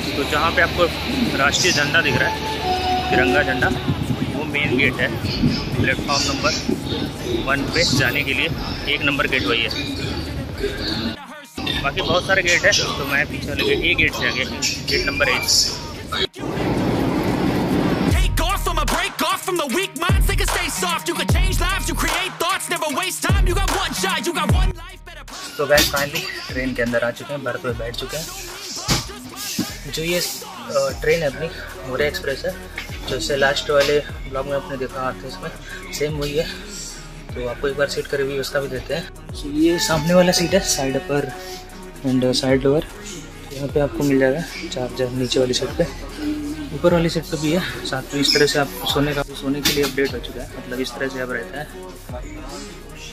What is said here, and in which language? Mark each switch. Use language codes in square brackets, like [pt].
[hi] तो जहाँ पे आपको राष्ट्रीय झंडा दिख रहा है, तिरंगा झंडा, वो मेन गेट है प्लेटफॉर्म नंबर 1 पे जाने के लिए, एक नंबर गेट वही है, बाकी बहुत सारे गेट है, तो मैं पीछे वाले गेट, ये गेट से आगे gate number 1। [en] From the weak minds, they can stay soft. You can change lives, you create thoughts. Never waste time, you got one shot. You got one life, better. So guys, finally, [hi] train के अंदर आ चुके हैं, birth पे बैठ चुके हैं। जो ये ट्रेन है अपनी मोरे एक्सप्रेस है, जो इसे लास्ट वाले ब्लॉग में आपने देखा था, इसमें सेम वही है, तो आपको एक बार सीट का रिव्यू उसका भी देते हैं। तो ये सामने वाला सीट है, side upper and side lower, यहाँ पे आपको मिल जाएगा चार्जर नीचे वाली सीट पे, ऊपर वाली सीट पे भी है साथ में। इस तरह से आप सोने का, सोने के लिए अपडेट हो चुका है, मतलब इस तरह से आप रहता है।